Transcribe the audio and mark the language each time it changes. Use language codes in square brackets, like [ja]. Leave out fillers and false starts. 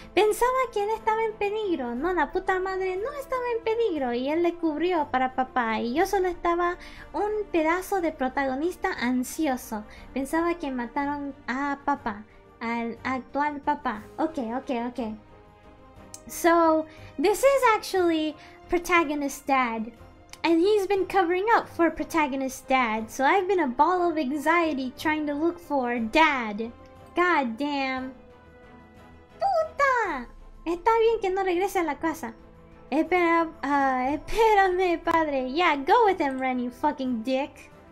[es] Pensaba que él estaba en peligro. No, la puta madre no estaba en peligro y él le cubrió para papá. Y yo solo estaba un pedazo de protagonista ansioso. Pensaba que mataron a papá, al actual papá. Ok. [en] So, this is actually protagonist dad, and he's been covering up for protagonist dad, so I've been a ball of anxiety trying to look for dad. God damn. Puta! [es] Está bien que no regrese a la casa. Espérame, padre. [en] Yeah, go with him, Ren, you fucking dick.